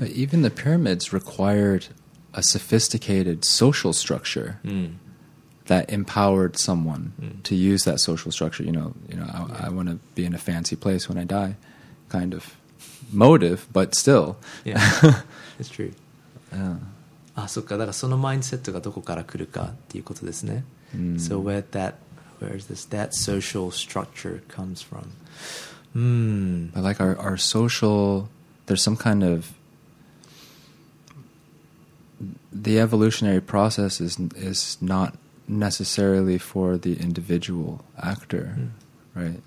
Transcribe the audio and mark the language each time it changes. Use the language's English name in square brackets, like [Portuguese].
[English] But even the pyramids required a sophisticated social structure that empowered someone to use that social structure. You know, I want to be in a fancy place when I die, kind of motive, but still. Yeah, it's true. Yeah. [Japanese] あ、そっか。だからそのマインドセットがどこから来るかっていうことですね。 [English] So where is that social structure comes from? But like our social, there's some kind of, the evolutionary process is not necessarily for the individual actor, right?